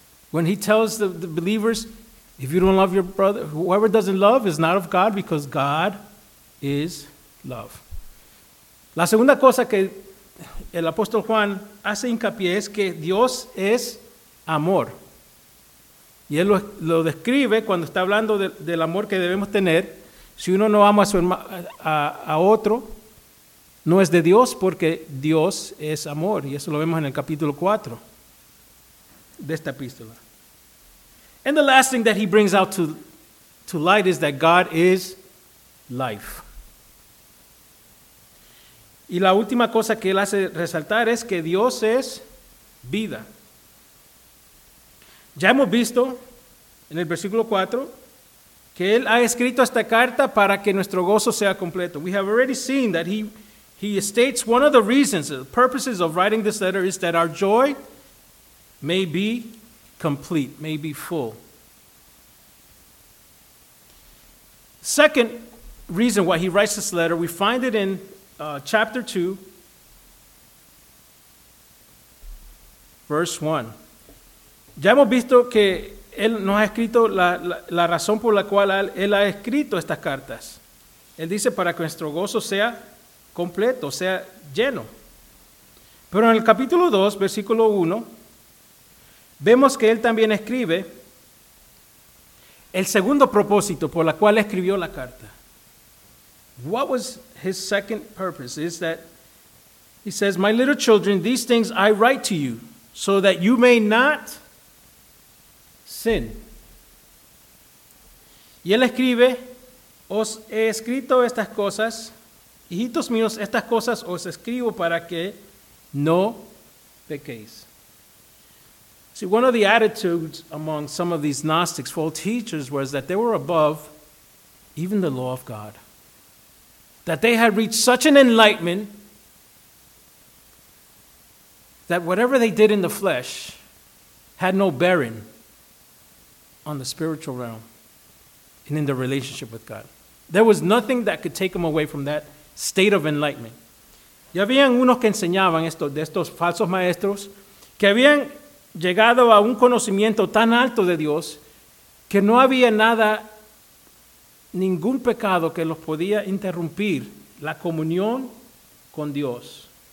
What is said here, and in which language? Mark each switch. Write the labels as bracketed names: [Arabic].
[English] When he tells the believers, if you don't love your brother, whoever doesn't love is not of God, because God is love. [Spanish] La segunda cosa que el apóstol Juan hace hincapié es que Dios es amor. Y él lo describe cuando está hablando del amor que debemos tener. Si uno no ama a otro, no es de Dios, porque Dios es amor. Y eso lo vemos en el capítulo 4 de esta epístola. [English] And the last thing that he brings out to light is that God is life. [Spanish] Y la última cosa que él hace resaltar es que Dios es vida. Ya hemos visto en el versículo 4 que él ha escrito esta carta para que nuestro gozo sea completo. [English] We have already seen that he states one of the reasons, the purposes of writing this letter is that our joy may be complete, may be full. Second reason why he writes this letter, we find it in chapter 2, verse 1. [Spanish] Ya hemos visto que él nos ha escrito la razón por la cual él ha escrito estas cartas. Él dice para que nuestro gozo sea completo, sea lleno. Pero en el capítulo 2, versículo 1, vemos que él también escribe el segundo propósito por la cual escribió la carta. [English] What was his second purpose? Is that he says, my little children, these things I write to you so that you may not sin. [Spanish] Y él escribe, os he escrito estas cosas, hijitos míos, estas cosas os escribo para que no pequéis. [English] See, one of the attitudes among some of these Gnostics, false teachers, was that they were above even the law of God. That they had reached such an enlightenment that whatever they did in the flesh had no bearing on the spiritual realm and in the relationship with God. There was nothing that could take them away from that state of enlightenment. [Spanish] Y habían unos que enseñaban esto, de estos falsos maestros, que habían llegado a un conocimiento tan alto de Dios que no había nada, ningún pecado que los podía interrumpir la comunión con Dios.